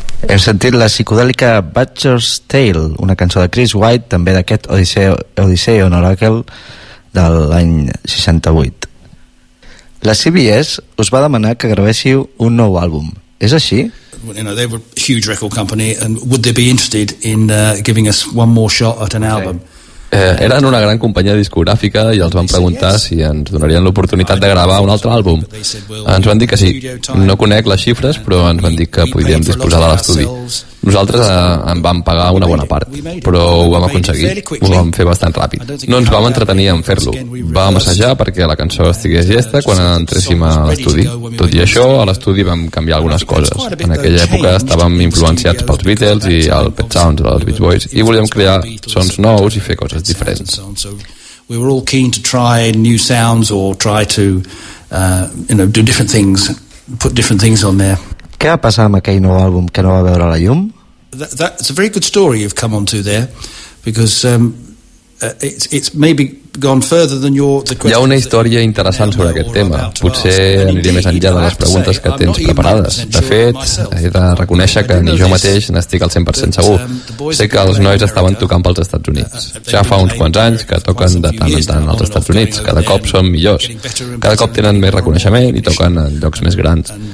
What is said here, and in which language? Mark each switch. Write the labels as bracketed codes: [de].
[ca] Hem sentit la psicodèlica Butcher's Tale, una cançó de Chris White, també d'aquest Odyssey on Oracle de l'any 68. La CBS us va demanar que gravéssiu un nou àlbum. És així? [en] You know, they were a huge record company and would they be interested in giving us one more shot at an album? [ca] Eren una gran companyia discogràfica i els van preguntar si ens donarien l'oportunitat de gravar un altre àlbum. Ens van dir que sí. No conec les xifres, però ens van dir que podíem disposar de l'estudi. Nosaltres en vam pagar una bona part, però ho vam aconseguir. Ho vam fer bastant ràpid. No ens vam entretenir en fer-lo. Vam assajar perquè la cançó estigués llesta quan entréssim a l'estudi. Tot i això, a l'estudi vam canviar algunes coses. En aquella època estàvem influenciats pels Beatles i el Pet Sounds dels Beach Boys i volíem crear sons nous i fer coses diferents. [en] We were all keen to try new sounds or try to do different things, put different things on there. [ca] Què va passar amb aquell nou àlbum que no va veure la llum? [en] That's a very good story you've come onto there, because it's maybe gone further than your the [ca] question. Hi ha una història interessant sobre aquest tema. Potser aniria més enllà de les preguntes que tens preparades. De fet, he de reconèixer que ni jo mateix n'estic al 100% segur. Sé que els nois estaven tocant pels Estats Units. Ja fa uns quants anys que toquen de tant en tant als Estats Units. Cada cop són millors. Cada cop tenen més reconeixement i toquen en llocs més grans.